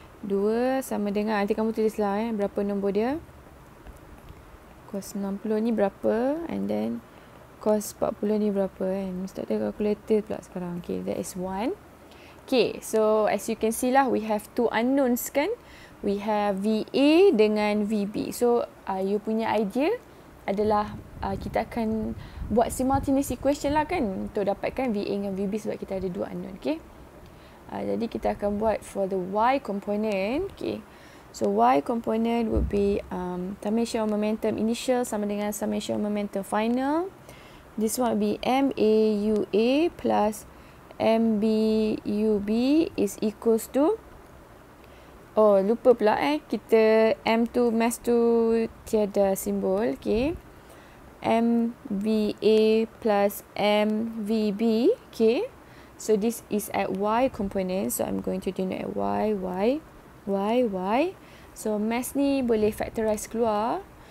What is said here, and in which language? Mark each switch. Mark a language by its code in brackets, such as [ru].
[ms] 2 sama dengan, nanti kamu tulislah berapa nombor dia. Cos 60 ni berapa, [en] and then [ms] cos 40 ni berapa, and mesti ada calculator pula sekarang. [en] Okay, that is 1. Okay, so as you can see lah, we have 2 unknowns kan. We have VA [ms] dengan [en] VB. So, you [ms] punya idea adalah kita akan buat simultaneous equation lah kan, untuk dapatkan VA dengan VB sebab kita ada 2 unknown. [en] Okay, [ms] jadi kita akan buat [en] for the Y component. Okay. So, Y component would be summation of momentum initial [ms] sama dengan [en] summation of momentum final. This one would be MAUA plus MBUB is equals to [ms] Oh, lupa pula eh. Kita M tu, mass tu tiada simbol. Okay. [en] MVA plus MVB. Okay. So this is at Y component. So I'm going to denote at Y, Y, Y, Y. So mass [ms] ni boleh factorize keluar.